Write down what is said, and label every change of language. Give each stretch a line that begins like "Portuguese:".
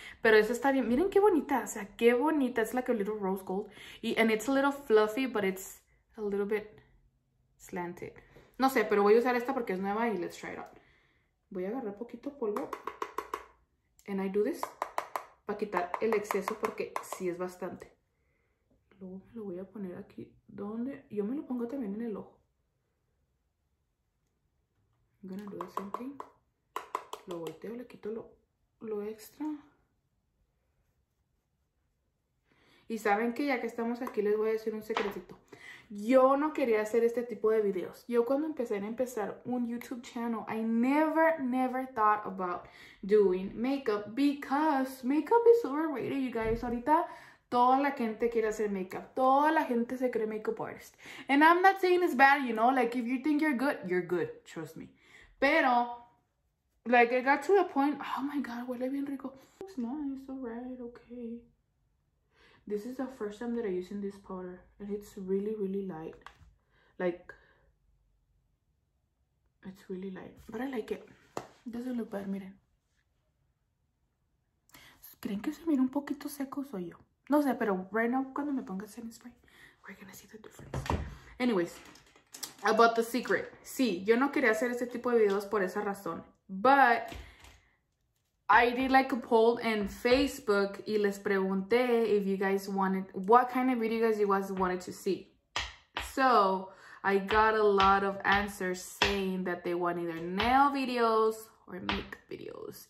Spanish: Pero esa está bien, miren qué bonita, o sea, qué bonita.
English: It's like a little rose gold, and it's a little fluffy, but it's a little bit slanted.
Spanish: No sé, pero voy a usar esta porque es nueva y
English: let's try it out.
Spanish: Voy a agarrar poquito polvo,
English: and I do this.
Spanish: Para quitar el exceso porque sí es bastante. Luego me lo voy a poner aquí. ¿Dónde? Yo me lo pongo también en el ojo.
English: I'm gonna do the same thing.
Spanish: Lo volteo, le quito lo extra. Y saben que ya que estamos aquí les voy a decir un secretito. Yo no quería hacer este tipo de videos. Yo cuando empecé un YouTube channel,
English: I never thought about doing makeup because makeup is overrated, you guys.
Spanish: Ahorita toda la gente quiere hacer makeup. Toda la gente se cree makeup artist.
English: And I'm not saying it's bad, you know, like if you think you're good, trust me. Pero, like it got to the point, oh my God,
Spanish: huele bien rico.
English: It's nice, alright, okay. This is the first time that I'm using this powder. And it's really, really light. Like, it's really light. But I like it. It doesn't look bad, miren.
Spanish: ¿Creen que se mira un poquito seco o soy yo? No sé, pero
English: right now,
Spanish: cuando me ponga setting spray,
English: we're gonna see the difference. Anyways, about the secret.
Spanish: Sí, yo no quería hacer este tipo de videos por esa razón.
English: But I did like a poll in Facebook
Spanish: y les pregunté
English: if you guys wanted, what kind of videos you guys wanted to see. So, I got a lot of answers saying that they want either nail videos or make videos.